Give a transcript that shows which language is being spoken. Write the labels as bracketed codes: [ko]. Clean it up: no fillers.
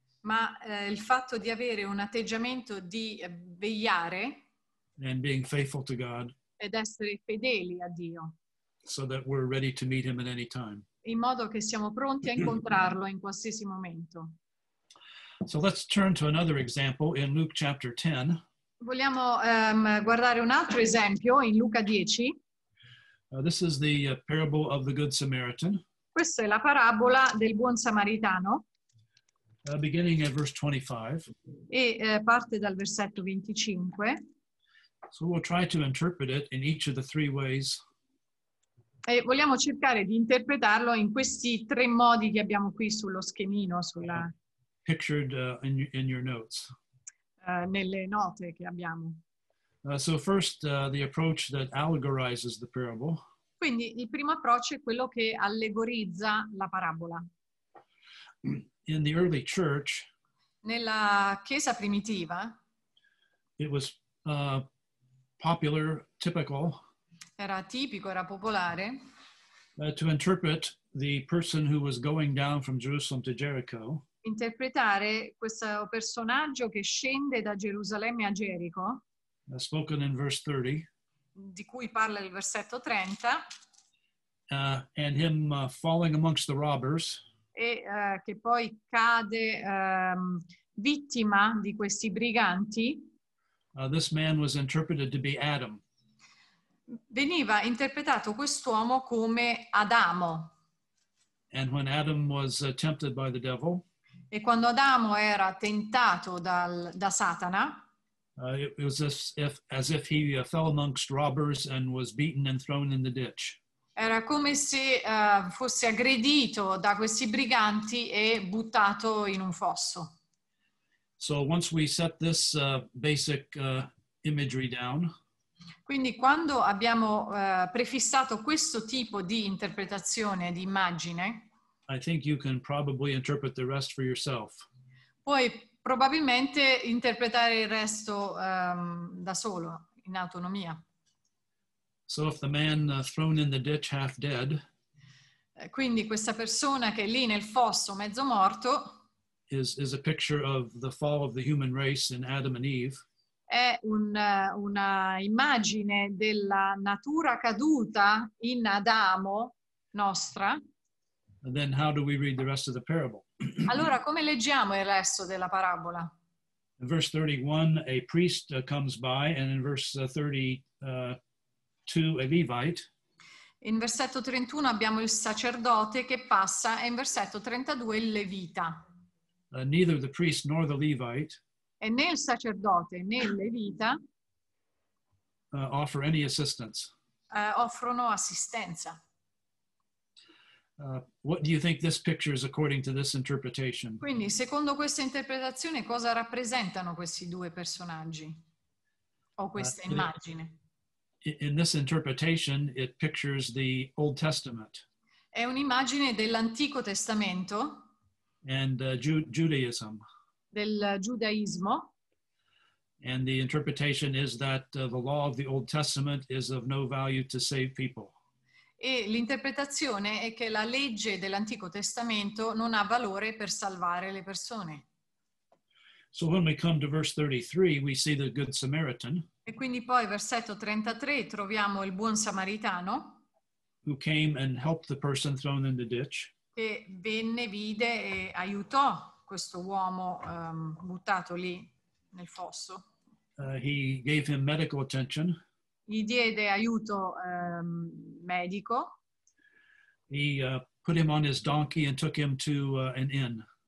[it] Ma il fatto di avere un atteggiamento di vegliare. [en] And being faithful to God. [it] Ed essere fedeli a Dio. [en] So that we're ready to meet him at any time. [it] In modo che siamo pronti a incontrarlo in qualsiasi momento. [en] So let's turn to another example in Luke chapter 10. [it] Vogliamo guardare un altro esempio in Luca 10. [en] This is the parable of the good Samaritan. [it] Questa è la parabola del buon samaritano. [en] Beginning at verse 25. [it] E parte dal versetto 25. [en] So we'll try to interpret it in each of the three ways. [it] E vogliamo cercare di interpretarlo in questi tre modi che abbiamo qui sullo schemino, sulla [en] pictured in your notes. [it] Nelle note che abbiamo. [en] So first the approach that allegorizes the parable. [it] Quindi il primo approccio è quello che allegorizza la parabola. [en] In the early church, [it] nella chiesa primitiva, [en] it was popular, typical. [it] Era tipico, era popolare. [en] To interpret the person who was going down from Jerusalem to Jericho. [it] Interpretare questo personaggio che scende da Gerusalemme a Gerico. [en] Spoken in verse 30. [it] Di cui parla il versetto 30. [en] And him falling amongst the robbers. [it] E che poi cade vittima di questi briganti. [en] This man was interpreted to be Adam. [it] Veniva interpretato quest'uomo come Adamo. [en] And when Adam was tempted by the devil. [it] E quando Adamo era tentato da Satana. [en] It was as if he fell amongst robbers and was beaten and thrown in the ditch. [it] Era come se fosse aggredito da questi briganti e buttato in un fosso. [en] So once we set this basic imagery down. [it] Quindi quando abbiamo prefissato questo tipo di interpretazione, di immagine. [en] I think you can probably interpret the rest for yourself. [it] Puoi probabilmente interpretare il resto da solo, in autonomia. [en] So if the man thrown in the ditch half dead. [it] Quindi questa persona che è lì nel fosso mezzo morto. [en] Is a picture of the fall of the human race in Adam and Eve. [it] È una immagine della natura caduta in Adamo nostra. [en] Then how do we read the rest of the parable? [it] Allora, come leggiamo il resto della parabola? [en] In verse 31, a priest comes by, and in verse 32, a Levite. [it] In versetto 31 abbiamo il sacerdote che passa, e in versetto 32 il Levita. [en] Neither the priest nor the Levite. [it] E né il sacerdote né il Levita. [en] Offer any assistance. [it] Offrono assistenza. [en] What do you think this picture is according to this interpretation? [it] Quindi, secondo questa interpretazione, cosa rappresentano questi due personaggi o questa immagine? [en] In this interpretation, it pictures the Old Testament. [it] È un'immagine dell'Antico Testamento. [en] And Judaism. [it] Del giudaismo. [en] And the interpretation is that the law of the Old Testament is of no value to save people. [it] E l'interpretazione è che la legge dell'Antico Testamento non ha valore per salvare le persone. [en] So when we come to verse 33, we see the good Samaritan. [it] E quindi poi versetto 33 troviamo il buon samaritano. [en] Who came and helped the person thrown in the ditch. [it] Che venne, vide e aiutò questo uomo buttato lì nel fosso. [en] He gave him medical attention. [it] Gli diede aiuto medico. [en] He put him on his donkey and took him to an inn.